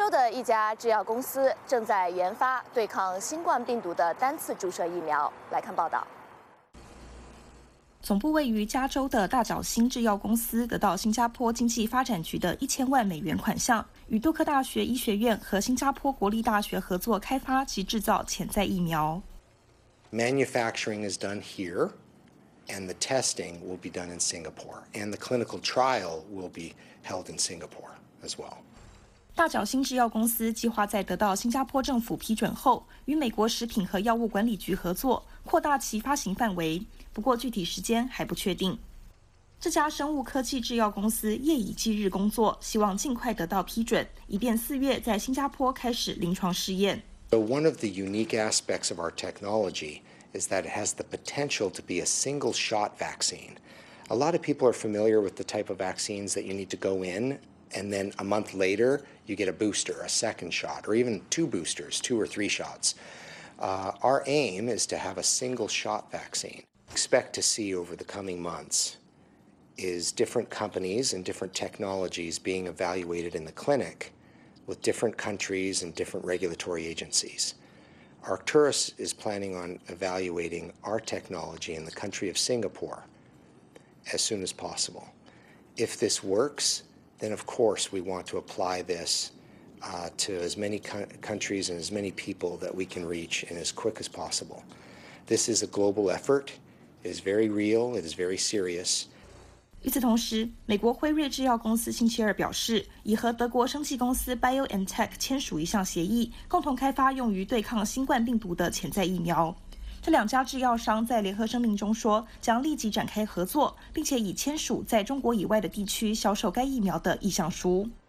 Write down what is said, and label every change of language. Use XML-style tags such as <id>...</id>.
<zh>一家制药公司正在研发对抗新冠病毒的单次注射疫苗。来看报道。总部位于加州的大角星制药公司得到新加坡经济发展局的1000万美元款项，与杜克大学医学院和新加坡国立大学合作开发及制造潜在疫苗。</zh> <en>Manufacturing is done here, and the testing will be done in Singapore, and the clinical trial will be held in Singapore as well.</en> <zh>大角星制药公司计划在得到新加坡政府批准后，与美国食品和药物管理局合作，扩大其发行范围，不过具体时间还不确定。这家生物科技制药公司夜以继日工作，希望尽快得到批准，以便四月在新加坡开始临床试验。</zh> <en>So one of the unique aspects of our technology is that it has the potential to be a single shot vaccine. A lot of people are familiar with the type of vaccines that you need to go inAnd then a month later, you get a booster, a second shot, or even two boosters, two or three shots. Our aim is to have a single shot vaccine. Expect to see over the coming months is different companies and different technologies being evaluated in the clinic with different countries and different regulatory agencies. Arcturus is planning on evaluating our technology in the country of Singapore as soon as possible. If this works,then of course we want to apply this to as many countries and as many people that we can reach and as quick as possible. This is a global effort. It is very real. It is very serious.</en> <zh>与此同时，美国辉瑞制药公司星期二表示，已和德国生技公司 BioNTech 签署一项协议，共同开发用于对抗新冠病毒的潜在疫苗。这两家制药商在联合声明中说，将立即展开合作，并且已签署在中国以外的地区销售该疫苗的意向书。</zh>